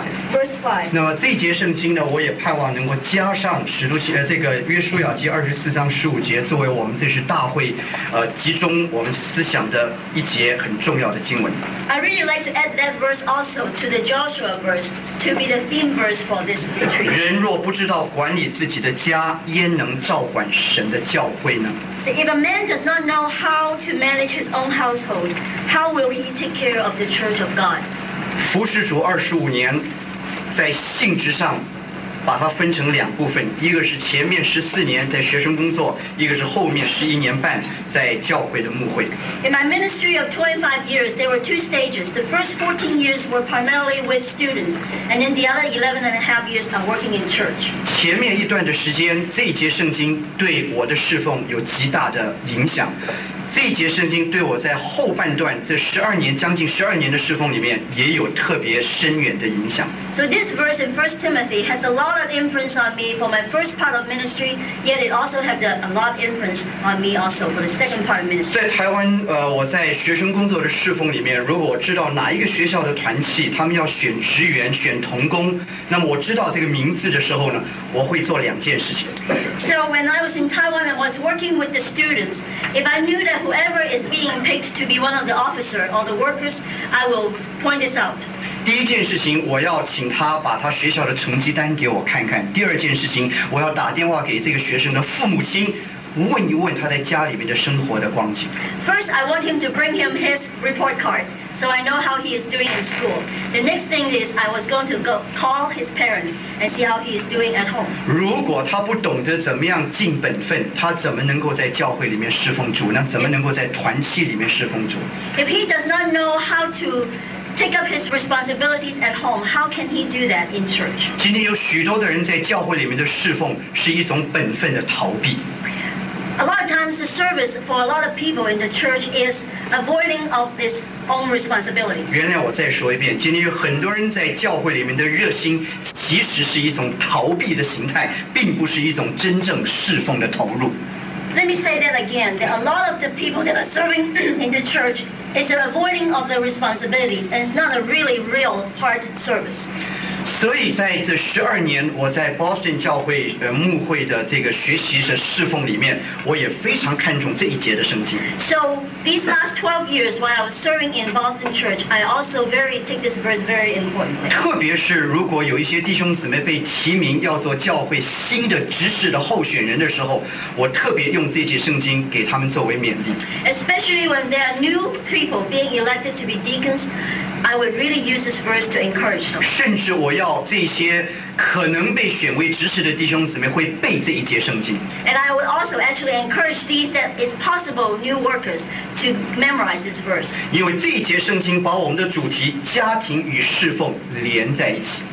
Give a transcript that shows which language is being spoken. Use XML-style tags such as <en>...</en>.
<zh>Verse 5. 那么这节圣经呢，我也盼望能够加上使徒行这个约书亚记24:15作为我们这次大会集中我们思想的一节很重要的经文。</zh> <en>I really like to add that verse also to the Joshua verse to be the theme verse for this retreat.</en> <zh>人若不知道管理自己的家，焉能照管神的教会呢？</zh> <en>So if a man does not know how to manage his own household, how will he take care of the church of God?</en> <zh>服侍主25年，在性质上把它分成两部分，一个是前面14年在学生工作，一个是后面11.5年在教会的牧会。</zh> <en>In my ministry of 25 years, there were two stages. The first 14 years were primarily with students, and then the other 11.5 years are working in church.</en> <zh>前面一段的时间，这一节圣经对我的侍奉有极大的影响。这一节圣经对我在后半段这将近十二年的侍奉里面也有特别深远的影响。</zh> <en>So this verse in 1 Timothy has a lot of influence on me for my first part of ministry, yet it also has a lot of influence on me also for the second part of ministry.</en> <zh>在台湾我在学生工作的侍奉里面，如果我知道哪一个学校的团契他们要选职员选童工，那么我知道这个名字的时候呢，我会做两件事情。</zh> <en>So when I was in Taiwan and was working with the students, if I knew that whoever is being picked to be one of the officers or the workers, I will point this out.</en> <zh>第一件事情，我要请他把他学校的成绩单给我看看。第二件事情，我要打电话给这个学生的父母亲，问一问他在家里面的生活的光景。</zh> <en>First, I want him to bring him his report card, so I know how he is doing in school. The next thing is, I was going to go call his parents and see how he is doing at home.</en> <zh>如果他不懂得怎么样尽本分，他怎么能够在教会里面侍奉主呢？怎么能够在团契里面侍奉主？</zh> <en>If he does not know how to take up his responsibilities at home, how can he do that in church?</en> <zh>今天有许多的人在教会里面的侍奉是一种本分的逃避。</zh> <en>A lot of times the service for a lot of people in the church is avoiding of this own responsibility.</en> <zh>原谅我再说一遍，今天有很多人在教会里面的热心其实是一种逃避的形态，并不是一种真正侍奉的投入。</zh> <en>Let me say that again, that a lot of the people that are serving in the church is avoiding of their responsibilities and it's not a really real hard service.</en> <zh>所以在这十二年我在 Boston 教会牧会的这个学习的侍奉里面，我也非常看重这一节的圣经。</zh> <en>So these last 12 years while I was serving in Boston church, I also very take this verse very importantly.</en> <zh>特别是如果有一些弟兄姊妹被提名要做教会新的执事的候选人的时候，我特别用这节圣经给他们作为勉励。</zh> <en>Especially when there are new people being elected to be deacons, I would really use this verse to encourage them.</en> <zh>甚至我要这些可能被选为执事的弟兄姊妹会背这一节圣经。</zh> <en>And I would also actually encourage these that is possible new workers to memorize this verse.</en> <zh>因为这一节圣经把我们的主题家庭与侍奉连在一起。</zh>